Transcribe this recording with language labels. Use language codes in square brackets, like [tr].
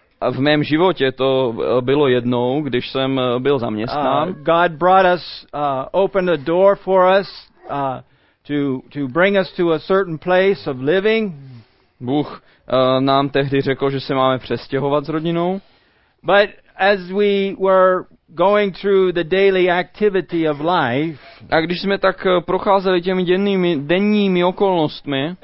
[cs] V mém životě to bylo jednou, když jsem byl zaměstnán. [en] God brought us opened a door for us to bring us to a certain place of living. [cs] Bůh nám tehdy řekl, že se máme přestěhovat s rodinou. [en] But as we were going through the daily activity of life, [cs] a když jsme tak procházeli těmi denními okolnostmi,